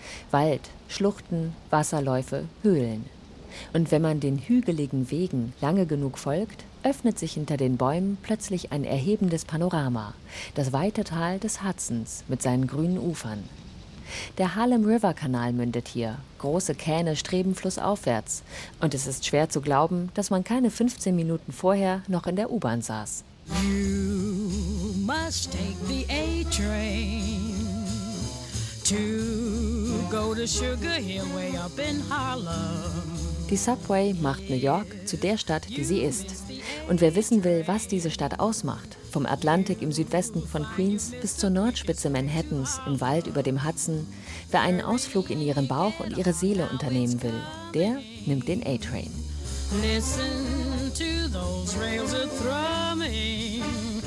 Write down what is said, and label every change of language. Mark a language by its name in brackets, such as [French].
[German] Wald, Schluchten, Wasserläufe, Höhlen. Und wenn man den hügeligen Wegen lange genug folgt, öffnet sich hinter den Bäumen plötzlich ein erhebendes Panorama. Das weite Tal des Hudsons mit seinen grünen Ufern. Der Harlem River Kanal mündet hier, große Kähne streben flussaufwärts und es ist schwer zu glauben, dass man keine 15 Minuten vorher noch in der U-Bahn saß. [English] You must take the A-Train to go to Sugar Hill way up in Harlem. [German] Die Subway macht New York zu der Stadt, die sie ist. Und wer wissen will, was diese Stadt ausmacht, vom Atlantik im Südwesten von Queens bis zur Nordspitze Manhattans im Wald über dem Hudson, wer einen Ausflug in ihren Bauch und ihre Seele unternehmen will, der nimmt den A-Train. [English] Listen to those rails are thrumming.